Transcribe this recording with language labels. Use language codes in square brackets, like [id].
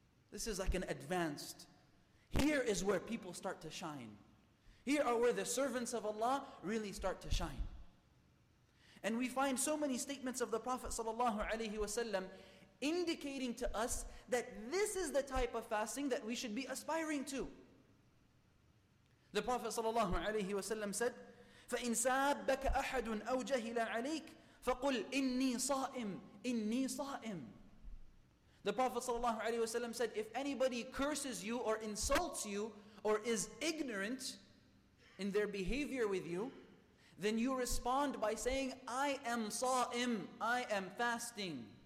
[en] This is like an advanced. Here is where people start to shine. Here are where the servants of Allah really start to shine. And we find so many statements of the Prophet ﷺ indicating to us that this is the type of fasting that we should be aspiring to. The Prophet ﷺ said, [ar] فَإِنْ سَابَّكَ أَحَدٌ أَوْ جَهِلَ عَلَيْكَ فَقُلْ إِنِّي صَائِمٌ إِنِّي صَائِمٌ. [en] The Prophet ﷺ said, if anybody curses you or insults you or is ignorant in their behavior with you, then you respond by saying, I am sa'im, I am fasting.